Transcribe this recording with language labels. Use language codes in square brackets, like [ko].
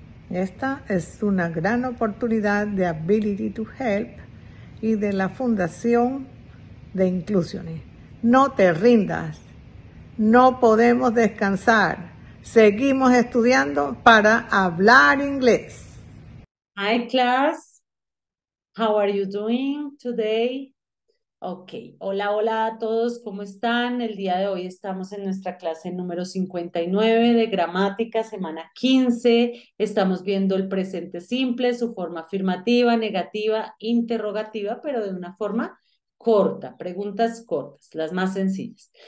[es] Esta es una gran oportunidad de Ability to Help y de la Fundación de Inclusiones. No te rindas, no podemos descansar. Seguimos estudiando para hablar inglés. [en] Hi class, how are you doing today? [es] Okay, hola, hola a todos, ¿cómo están? El día de hoy estamos en nuestra clase número 59 de gramática, semana 15. Estamos viendo el presente simple, su forma afirmativa, negativa, interrogativa, pero de una forma corta, preguntas cortas, las más sencillas.